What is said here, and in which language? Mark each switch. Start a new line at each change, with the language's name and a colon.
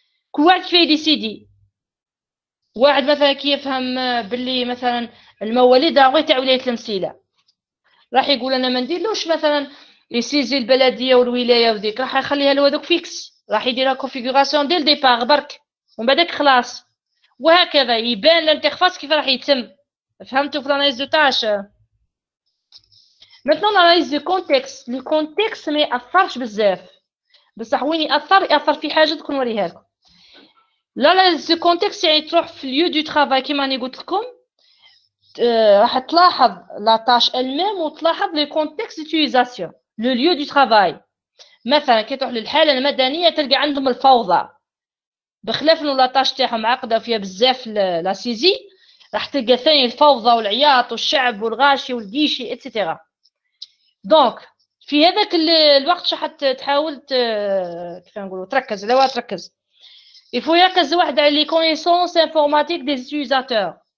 Arabic: كل واحد فيه دي سي دي. واحد مثلا كي يفهم باللي مثلا المواليد راهو تاع ولايه المسيله راح يقول انا ما نديرلوش مثلا يسيزي البلديه والولايه وديك راح يخليها له هذوك فيكس راح يديرها كونفيغوراسيون ديال ديبار برك ومن بعدك خلاص وهكذا يبان الانترفاس كيف راح يتم. فهمتوا في الانايز دو تاش؟
French: maintenant l'analyse du contexte. Le contexte
Arabic: ما يأثرش بزاف بصح وين يأثر يأثر في حاجة تكون وريها لكم.
French: l'analyse du contexte
Arabic: يعني تروح في
French: lieu du travail كما أنا قلت لكم راح تلاحظ la tâche elle-même وتلاحظ le contexte d'utilisation le lieu du travail.
Arabic: مثلا كي تروح للحالة المدنية تلقى عندهم الفوضى بخلاف انه la tâche تاعهم عقدة فيها بزاف
French: la saisie
Arabic: راح تلقى ثاني الفوضى والعياط والشعب والغاشي والديشي اتسيتيرا. دونك في هذاك الوقت شح تحاول كيف نقولوا تركز لا تركز يفو يركز واحد على لي كونيسونس انفورماتيك دي زيزاتور.